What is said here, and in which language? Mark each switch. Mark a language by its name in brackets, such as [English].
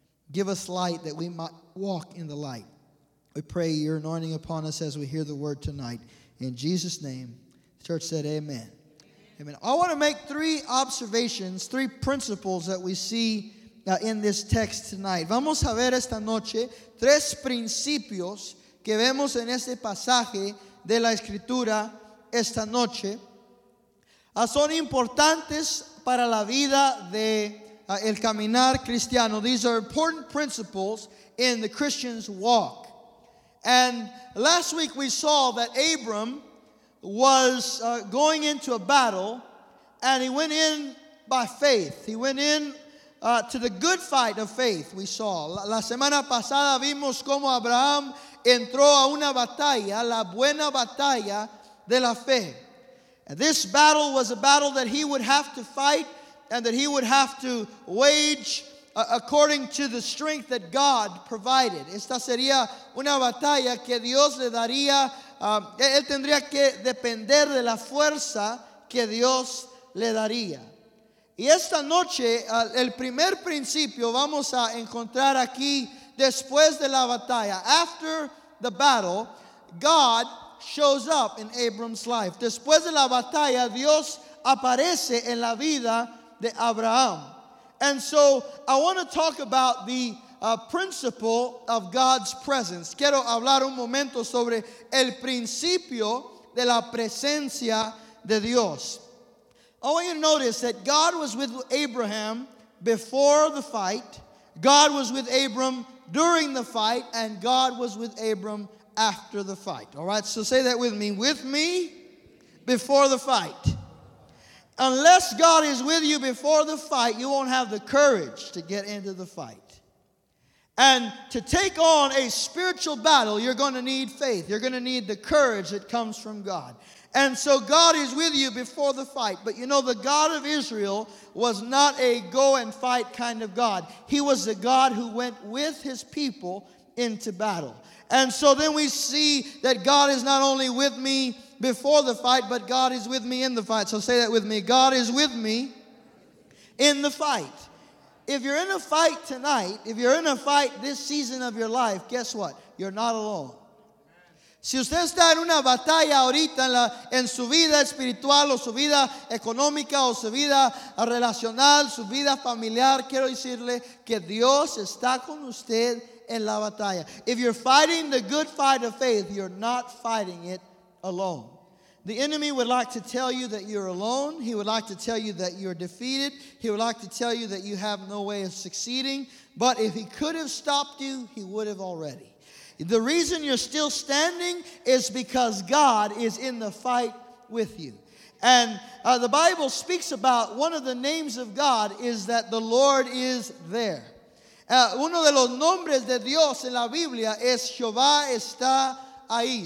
[English] Give us light that we might walk in the light. We pray your anointing upon us as we hear the word tonight. In Jesus' name. Church said amen. Amen. I want to make three observations, three principles that we see in this text tonight. [Spanish] Vamos a ver esta noche tres principios que vemos en este pasaje de la Escritura esta noche. Son importantes para la vida de el caminar cristiano. [English] These are important principles in the Christian's walk. And last week we saw that Abram was going into a battle, and he went in by faith. He went in to the good fight of faith, we saw. [Spanish] La semana pasada vimos cómo Abraham entró a una batalla, la buena batalla de la fe. [English] And this battle was a battle that he would have to fight and that he would have to wage according to the strength that God provided. [Spanish] Esta sería una batalla que Dios le daría. Él tendría que depender de la fuerza que Dios le daría. Y esta noche, el primer principio vamos a encontrar aquí después de la batalla. [English] After the battle, God shows up in Abram's life. [Spanish] Después de la batalla, Dios aparece en la vida de Abraham. [English] And so I want to talk about the principle of God's presence. [Spanish] Quiero hablar un momento sobre el principio de la presencia de Dios. [English] I want you to notice that God was with Abraham before the fight, God was with Abram during the fight, and God was with Abram after the fight. All right, so say that with me. With me, before the fight. Unless God is with you before the fight, you won't have the courage to get into the fight. And to take on a spiritual battle, you're going to need faith. You're going to need the courage that comes from God. And so God is with you before the fight. But you know, the God of Israel was not a go and fight kind of God. He was the God who went with his people into battle. And so then we see that God is not only with me before the fight, but God is with me in the fight. So say that with me. God is with me in the fight. If you're in a fight tonight, if you're in a fight this season of your life, guess what? You're not alone. [Spanish] Si usted está en una batalla ahorita en su vida espiritual o su vida económica o su vida relacional, su vida familiar, quiero decirle que Dios está con usted en la batalla. [English] If you're fighting the good fight of faith, you're not fighting it alone. The enemy would like to tell you that you're alone. He would like to tell you that you're defeated. He would like to tell you that you have no way of succeeding. But if he could have stopped you, he would have already. The reason you're still standing is because God is in the fight with you. And the Bible speaks about one of the names of God is that the Lord is there. [Spanish] Uno de los nombres de Dios en la Biblia es Jehová está ahí.